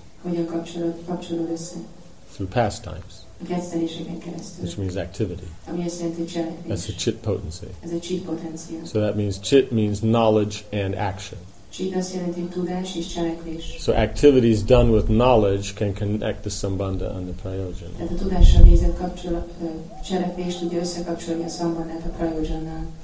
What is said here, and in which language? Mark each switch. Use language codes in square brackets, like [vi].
[hu] Hogyan kapcsolod össze? [en] Through pastimes. [hu] A kezdeléseken keresztül. [en] Which means activity. [hu] Ami azt jelenti, hogy cselekvés. [en] That's a chit potency. [hu] Ez a chit potencia. [en] So that means chit means knowledge and action. [hu] Chit azt jelenti, tudás és cselekvés. [en] So activities done with knowledge can connect the sambandha and the prayojana. [hu] Tehát a tudással végzett kapcsolat, cselekvés tudja összekapcsolni a sambandhát a prayojannal.